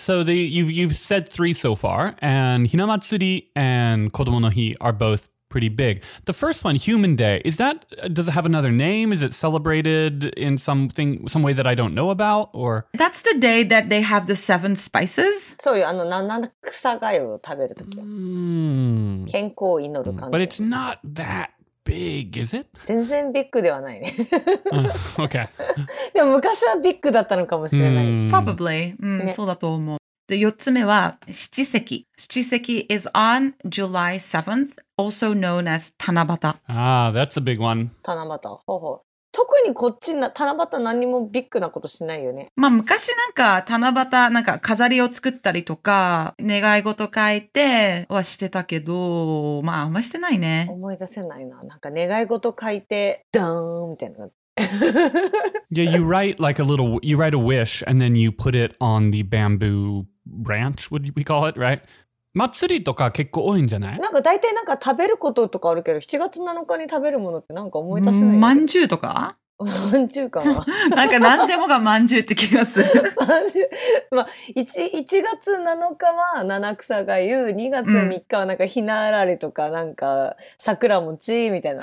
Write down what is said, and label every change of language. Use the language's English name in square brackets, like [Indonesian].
[English] So you've said three so far, and Hinamatsuri and Kodomo no Hi are both pretty big. The first one, Human Day, is that, does it have another name? Is it celebrated in something, some way that I don't know about, or? That's the day that they have the seven spices. [Japanese] So, あの、七草がゆを食べるとき。健康を祈る感じ。 [English] But it's not that. Big, is it? [Japanese] 全然ビッグではないね。 [English] okay. [Japanese] でも昔はビッグだったのかもしれない。 Probably. そうだと思う。で、四つ目は七夕。 [English] 七夕 is on July 7th, also known as 七夕。 Ah, that's a big one. [Japanese] 七夕。ほうほう。特にこっちな七夕何もビッグなことしないよね。まあ昔なんか七夕なんか飾りを作ったりとか願い事書いてはしてたけど、まああんましてないね。思い出せないな。なんか願い事書いてドーンみたいな。 [English] yeah, you write like a little, you write a wish and then you put it on the bamboo branch, would we call it, right? [Japanese] 祭りとか結構多いんじゃない？なんか大体なんか食べることとかあるけど、7月7日に食べるものってなんか思い出せない。まんじゅうとか？まんじゅうかな。なんか何でもがまんじゅうって気がする。まんじゅう。まあ、1月7日は七草がゆう、2月3日はなんかひなあられとか、なんか桜餅みたいな。